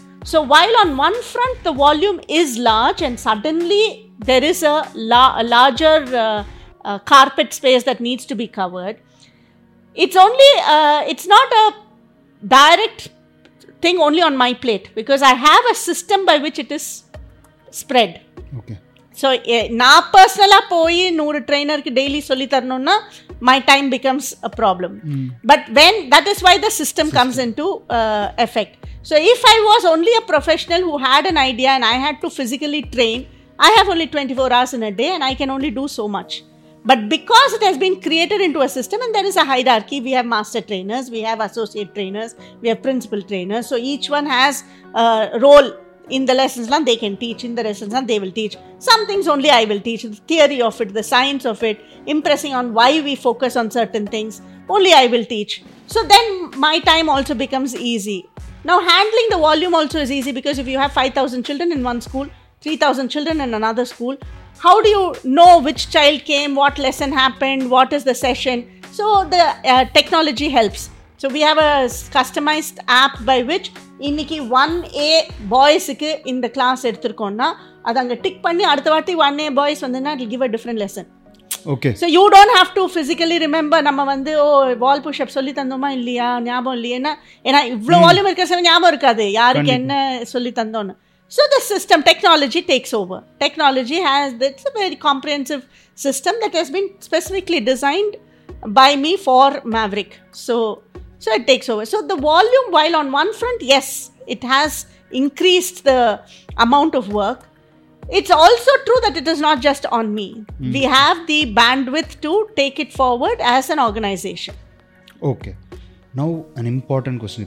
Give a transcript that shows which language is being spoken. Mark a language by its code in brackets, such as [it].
[en] So, while on one front the volume is large and suddenly there is a larger carpet space that needs to be covered, it's not a direct thing only on my plate, because I have a system by which it is spread. Okay. [ta] So நான் பர்சனலாக போய் 100 ட்ரெயினருக்கு daily சொல்லி தரணும்னா [en] My time becomes a problem. But when that is why the system comes into effect. So if I was only a professional who had an idea and I had to physically train, I have only 24 hours in a day and I can only do so much. But because it has been created in to a system and there is a hierarchy, we have master trainers, we have associate trainers, we have principal trainers. So each one has role in the lessons la they can teach, in the lessons la they will teach. Some things only I will teach, the theory of it, the science of it, impressing on why we focus on certain things, only I will teach. So then my time also becomes easy. Now handling the volume also is easy, because if you have 5000 children in one school, 3000 children in another school, how do you know which child came, what lesson happened, what is the session? So the technology helps. So we have a customized app by which [ta] இன்னைக்கு 1A பாய்ஸுக்கு இந்த class எடுத்திருக்கோன்னா அதை அங்கே tick பண்ணி அடுத்த வார்த்தை 1A boys வந்துன்னா [en] It give a different lesson. Okay, so you don't have to physically remember [ta] நம்ம வந்து ஓ வால் புஷப் சொல்லி தந்தோமா இல்லையா, ஞாபகம் இல்லையா, ஏன்னா இவ்வளோ வால்யூம் இருக்கிற சமயம் ஞாபகம் இருக்காது யாருக்கு என்ன சொல்லி தந்தோன்னு. [en] So the system technology takes over, technology has it's a very comprehensive system that has been specifically designed by me for Maverick. So So it takes over. So the volume, while on one front, yes, it has increased the amount of work. It's also true that it is not just on me. Mm. We have the bandwidth to take it forward as an organization. Okay. Now, an important question.